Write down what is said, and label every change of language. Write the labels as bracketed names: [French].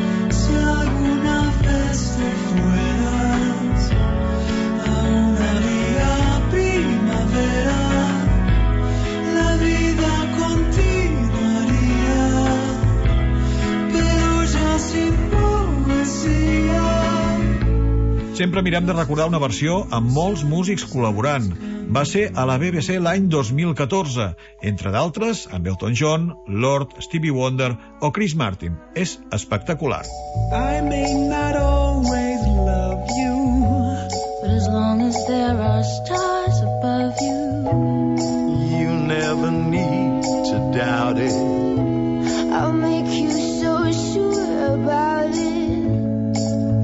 [Spanish] Si alguna vez te fueras a una vía primavera, la vida continuaría, pero ya sin poesía. [Catalan] Sempre mirem de recordar una versió amb molts músics col·laborant. Va ser a la BBC l'any 2014, entre d'altres amb Elton John, Lord, Stevie Wonder o Chris Martin. És espectacular. [English] I may not always love you, but as long as there are stars above you, you never need to doubt it. I'll make you so sure about it.